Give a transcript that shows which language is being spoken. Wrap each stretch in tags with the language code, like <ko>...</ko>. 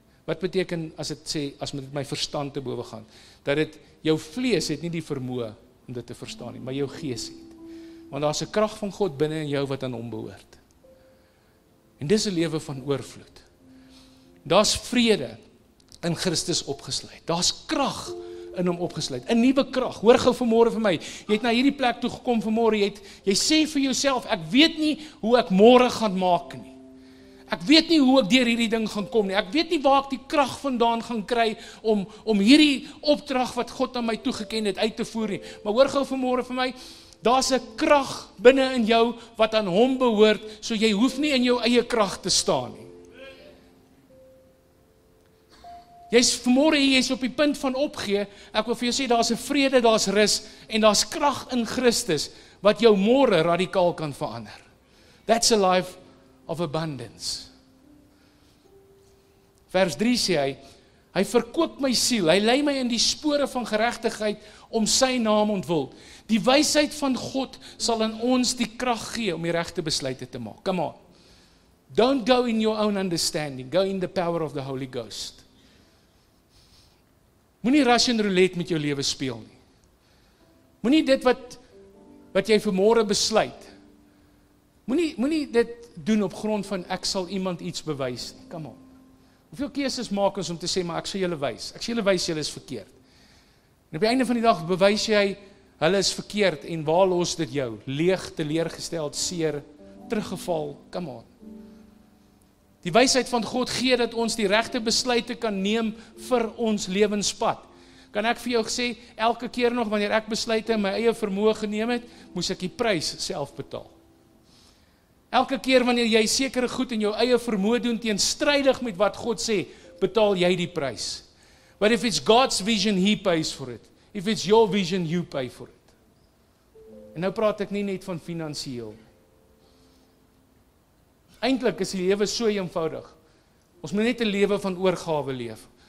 <af>Wat beteken as dit sê, as met my verstand te bowe gaan, dat dit, jou vlees het nie die vermoë om dit te verstaan nie, maar jou gees het. Want daar's 'n krag van God binne in jou wat aan hom behoort. En dis 'n lewe van oorvloed. Daar's vrede in Christus opgesluit. Daar's krag in hom opgesluit. 'n Nuwe krag. Hoor gou vanmôre vir my. Jy het na hierdie plek toe gekom vanmôre. Jy sê vir jouself, ek weet nie hoe ek môre gaan maak nie. Ek weet nie hoe ek deur hierdie ding gaan kom nie. Ek weet nie waar ek die krag vandaan gaan kry om hierdie opdrag wat God aan my toegeken het uit te voer nie. Maar hoor gou vanmôre vir my, daar's 'n krag binne in jou wat aan hom behoort, so jy hoef nie in jou eie krag te staan nie. Jy is vanmôre hier, jy is op die punt van opgee. Ek wil vir jou sê, daar is een vrede, daar is rus, en daar is krag in Christus, wat jou môre radikaal kan verander.</af> <en>That's a life of abundance.</en> <af>Vers 3 sê hy, hy verkoop my siel, hy lei my in die spore van geregtigheid, om sy naam ontwil. Die wysheid van God sal in ons die krag gee, om die regte besluite te maak.</af> <en>Come on. Don't go in your own understanding, go in the power of the Holy Ghost.</en> <af>Moenie Russian roulette met jou lewe speel nie. Moenie dit wat jy vanmôre besluit. Moenie dit doen op grond van ek sal iemand iets bewys.</af> <en>Come on.</en> <af>Hoeveel keuses maak ons om te sê maar ek sal julle wys. Ek sal julle wys julle is verkeerd. En op die einde van die dag bewys jy hulle is verkeerd en waar los dit jou? Leeg, teleurgesteld, seer, teruggeval.</af> <en>Come on.</en> <af>Die wysheid van God gee dat ons die regte besluite kan neem vir ons lewenspad. Kan ek vir jou sê, elke keer nog wanneer ek besluite in my eie vermoë geneem het, moes ek die prys self betaal. Elke keer wanneer jy sekere goed in jou eie vermoë doen teenstrydig met wat God sê, betaal jy die prys.</af> <en>But if it's God's vision, he pays for it. If it's your vision, you pay for it.</en> <af>En nou praat ek nie net van finansieel. Eindelijk is die lewe so eenvoudig. Ons moet net een lewe van oorgawe leef.</af>